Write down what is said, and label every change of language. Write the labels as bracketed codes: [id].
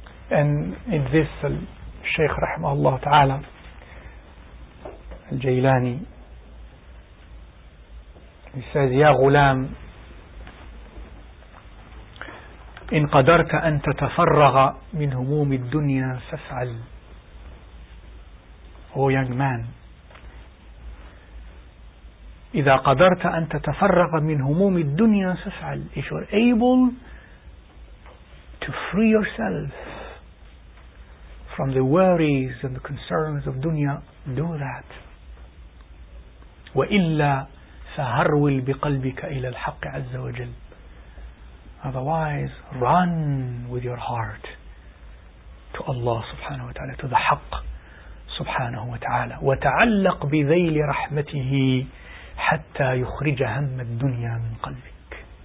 [en] And in this, Shaykh Rahmahullah Ta'ala Al-Jailani, he says, Ya Ghulam, [ar] إن قدرت أن تتفرغ من هموم الدنيا فافعل. [en] Oh young man, [ar] إذا قدرت أن تتفرغ من هموم الدنيا فافعل. [en] If you're able to free yourself from the worries and the concerns of dunya, do that. [ar] وإلا فهرول بقلبك إلى الحق عز وجل. [en] Otherwise, run with your heart to Allah subhanahu wa ta'ala, to the Haqq subhanahu wa ta'ala. [ar] وتعلق بذيل رحمته حتى يخرج هم الدنيا من قلبك.